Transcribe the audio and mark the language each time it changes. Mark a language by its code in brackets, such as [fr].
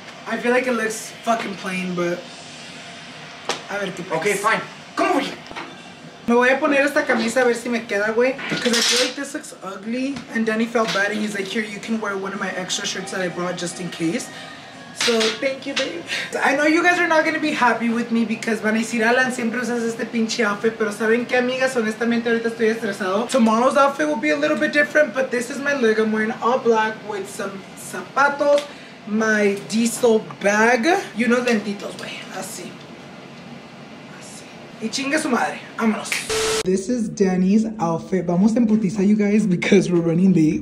[en] I feel like it looks fucking plain, but... [es] A ver qué pasa. [en] Okay, fine. Come over here. [es] Me voy a poner esta camisa a ver si me queda, güey. [en] Because I feel like this looks ugly. And Danny felt bad and he's like, here, you can wear one of my extra shirts that I brought just in case. So, thank you, babe. I know you guys are not going to be happy with me because [es] van a decir, Alan, siempre usas este pinche outfit. [en] Pero saben qué, amigas, honestamente, ahorita estoy estresado. Tomorrow's outfit will be a little bit different, but this is my look. I'm wearing all black with some zapatos. My diesel bag. [es] Y unos lentitos, güey. Así. Así. Y chingue su madre. Vámonos. [en] This is Danny's outfit. [es] Vamos a emputizar, [en] you guys, because we're running late.